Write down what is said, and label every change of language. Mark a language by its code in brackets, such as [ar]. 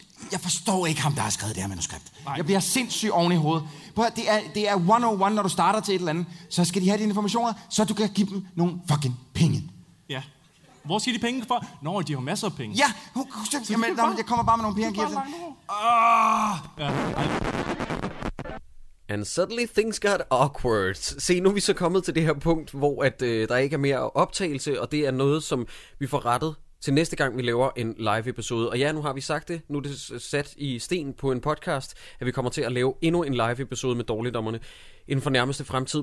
[da] Jeg forstår ikke ham, der har skrevet det her manuskript. Nej. Jeg bliver sindssygt oven i hovedet. Prøv, det er 101, når du starter til et eller andet. Så skal de have dine informationer, så du kan give dem nogle fucking penge. Ja. Hvor siger de penge fra? Nå, de har masser af penge. Ja, jeg kommer bare med nogle penge. Du kan bare [en] And suddenly things got awkward. [da] Se, nu er vi så kommet til det her punkt, hvor der ikke er mere optagelse, og det er noget, som vi får rettet til næste gang, vi laver en live-episode. Og ja, nu har vi sagt det. Nu er det sat i sten på en podcast, at vi kommer til at lave endnu en live-episode med dårligdommerne inden for nærmeste fremtid.